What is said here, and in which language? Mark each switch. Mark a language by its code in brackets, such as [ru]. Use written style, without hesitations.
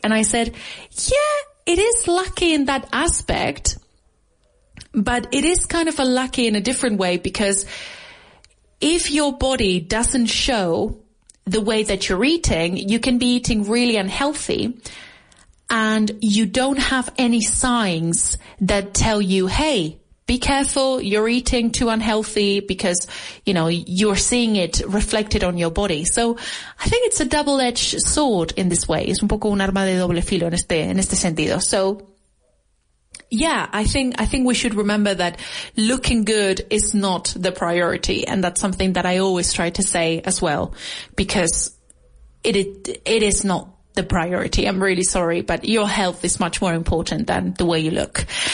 [en] And I said, yeah, it is lucky in that aspect, but it is kind of a lucky in a different way, because if your body doesn't show the way that you're eating, you can be eating really unhealthy and you don't have any signs that tell you, hey, be careful, you're eating too unhealthy because, you know, you're seeing it reflected on your body. So I think it's a double-edged sword in this way. [es] Es un poco un arma de doble filo en este sentido. [en] So yeah, I think we should remember that looking good is not the priority. And that's something that I always try to say as well, because it is not the priority. I'm really sorry, but your health is much more important than the way you look.